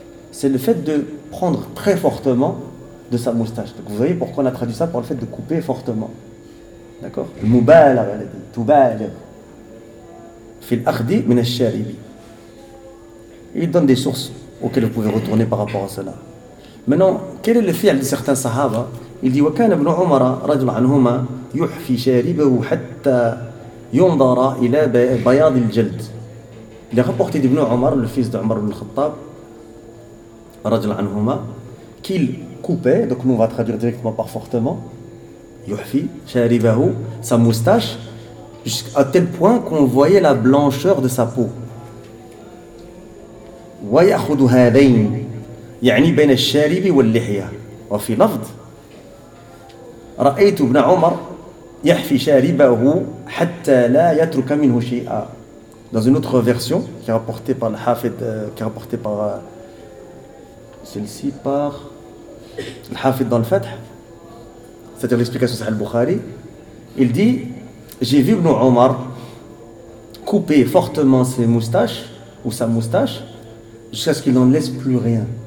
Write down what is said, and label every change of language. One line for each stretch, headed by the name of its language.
French: C'est le fait de prendre très fortement de sa moustache. Donc vous voyez pourquoi on a traduit ça par le fait de couper fortement. D'accord?
Arabic: Al-mubalagh,
French: elle a dit,
Arabic: tubalagh fi al-akhdhi min ash-sharibi.
French: Il donne des sources auquel vous pouvez retourner par rapport à cela. Maintenant, quel est le fi'l de certains sahaba? Il dit:
Arabic: وكان ابن عمر رضي الله عنهما يحفي شاربه حتى ينظر الى بياض الجلد.
French: Il est rapporté d'Ibn Omar, le fils d'Omar ibn Khattab رضي الله عنهما, qu'il coupait, donc nous on va traduire directement par fortement,
Arabic: يحفي شاربه,
French: sa moustache, jusqu'à tel point qu'on voyait la blancheur de sa peau.
Arabic: وَيَأْخُدُ هَذَيْنِ يعني بين الشارب واللحية. وفي لفظ رأيت ابن عمر يحفي شاربه حتى لا يترك منه شيئا.
French: Dans une autre version qui est rapportée par le Hafid, qui est rapportée par celle-ci par le Hafid dans le Fath, c'est-à-dire l'explication Sahih al-Bukhari, il dit: j'ai vu ibn Omar couper fortement ses moustaches ou sa moustache jusqu'à ce qu'il n'en laisse plus rien.